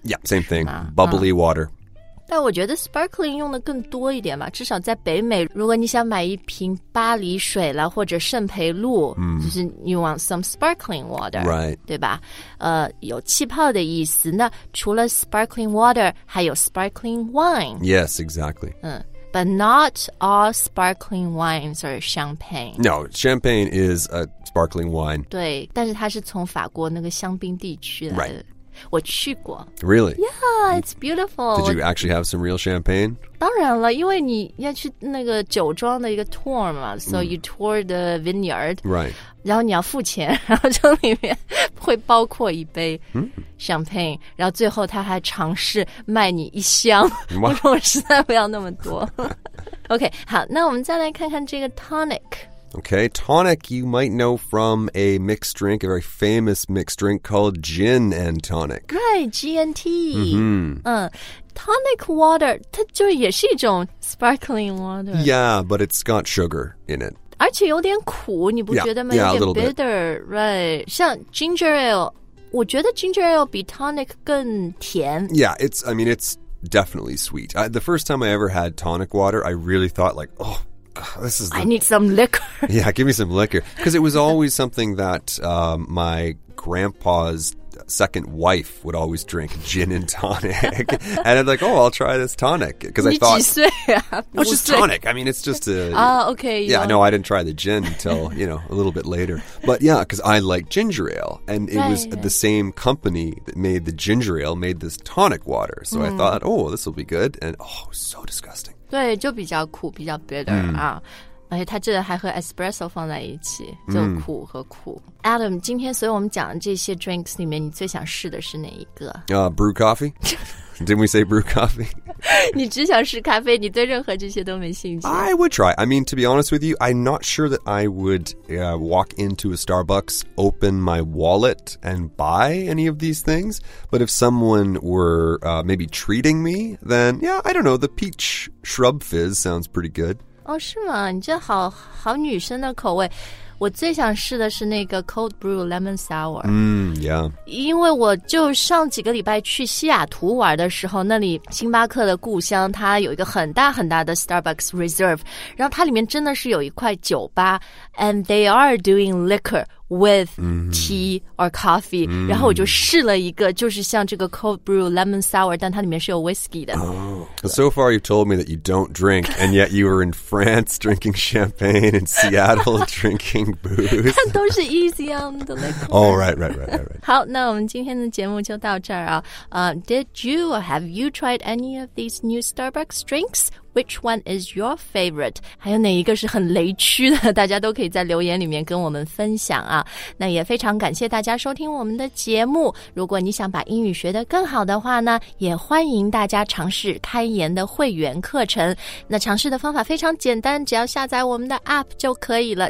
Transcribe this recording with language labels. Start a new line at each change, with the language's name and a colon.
English: Yeah, same thing. Bubbly water.
Chinese: 但我觉得 sparkling 用的更多一点嘛，至少在北美，如果你想买一瓶巴黎水了或者圣培露，就是
English: you want some sparkling water. Right.
Chinese: 对吧？有气泡的意思。那除了 sparkling water, 还有 sparkling wine.
English: Yes, exactly. But not all sparkling wines are champagne. No, champagne is a sparkling wine.
Chinese: 对，但是它是从法国那个香槟地区来的。
English: Right.
Chinese: 我去过。
English: Really? Yeah, it's beautiful. Did you actually have some real champagne?
Chinese: 当然了，因为你要去那个酒庄的一个 tour 嘛，
English: so you tour the vineyard. Right.
Chinese: 然后你要付钱，然后这里面会包括一杯 champagne,然后最后他还尝试卖你一箱，我说我实在不要那么多。 OK, 好，那我们再来看看这个 tonic。
English: Okay, tonic you might know from a mixed drink, a very famous mixed drink called gin and tonic. Right, G&T.
Chinese: Tonic water, 它就也是一种 sparkling water.
English: Yeah, but it's got sugar in it.
Chinese: 而且有点苦，你不觉得吗？
English: Yeah,
Chinese: 有点 bitter,
English: bit. Right. 像 ginger ale, 我觉得 ginger ale 比 tonic 更甜。 Yeah, it's definitely sweet. The first time I ever had tonic water, I really thought like, oh,this is I need some liquor. Yeah, give me some liquor. Because it was always something that my grandpa's second wife would always drink, gin and tonic. And I'm like, oh, I'll try this tonic. Because I thought, oh, it's just tonic. I mean, it's just a... okay. Yeah, no, I didn't try the gin until, you know, a little bit later. But yeah, because I like ginger ale. And it was the same company that made the ginger ale made this tonic water. So I thought, oh, this will be good. And oh, so disgusting.
Chinese: 对，就比较苦，比较 bitter 啊，而且它这个还和 espresso 放在一起，就苦和苦。 Adam, 今天所以我们讲的这些 drinks 里面，你最想试的是哪一个？
English: Brew coffee? Didn't we say brew coffee?
Chinese: 你只想试咖啡，你对任何这些都没兴趣。
English: I would try. I mean, to be honest with you, I'm not sure that I would walk into a Starbucks, open my wallet, and buy any of these things. But if someone were maybe treating me, then yeah, I don't know, the peach shrub fizz sounds pretty good.
Chinese: 哦，是吗？你这好好女生的口味，我最想试的是那个 cold brew lemon sour。因为我就上几个礼拜去西雅图玩的时候，那里星巴克的故乡，它有一个很大很大的 Starbucks Reserve， 然后它里面真的是有一块酒吧 ，
English: and they are doing liquor with tea or coffee、
Chinese: mm-hmm.。然后我就试了一个，就是像这个 cold brew lemon sour， 但它里面是有 whiskey 的。
English: So far, you've told me that you don't drink, and yet you were in France drinking champagne, in Seattle drinking booze.
Chinese: 都是
English: easy on the liquor. Oh, right.
Chinese: 好，那我们今天的节目就到这儿啊。
English: Did you or have you tried any of these new Starbucks drinks? Which one is your favorite?
Chinese: 还有哪一个是很雷区的？大家都可以在留言里面跟我们分享啊。那也非常感谢大家收听我们的节目。如果你想把英语学得更好的话呢，也欢迎大家尝试开言的会员课程。那尝试的方法非常简单，只要下载我们的 app 就可以了。